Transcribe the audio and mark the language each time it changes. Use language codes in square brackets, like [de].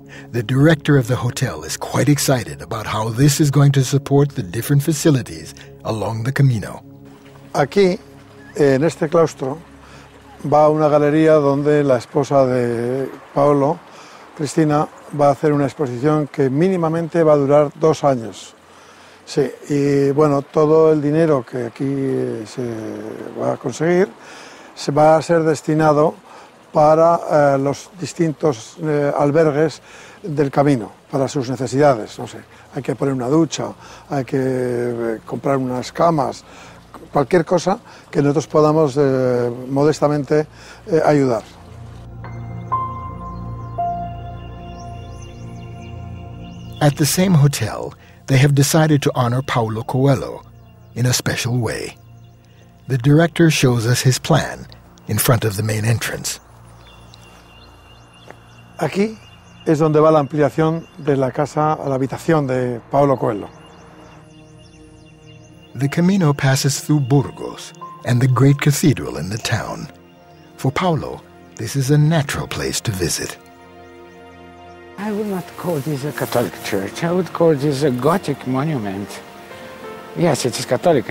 [en] The director of the hotel is quite excited about how this is going to support the different facilities along the Camino. [es] Aquí, en este claustro, va una galería donde la esposa de Paulo, Cristina, va a hacer una exposición que mínimamente va a durar 2 años. Sí, y bueno, todo el dinero que aquí se va a conseguir se va a ser destinado para los distintos albergues del camino, para sus necesidades. No sé, hay que poner una ducha, hay que comprar unas camas, cualquier cosa que nosotros podamos modestamente ayudar. [en] At the same hotel, they have decided to honor Paulo Coelho in a special way. The director shows us his plan in front of the main entrance. [es] Aquí es donde va la ampliación de la casa a la habitación de Paulo Coelho. [en] The Camino passes through Burgos and the great cathedral in the town. For Paulo, this is a natural place to visit. I would not call this a Catholic church. I would call this a Gothic monument. Yes, it is Catholic.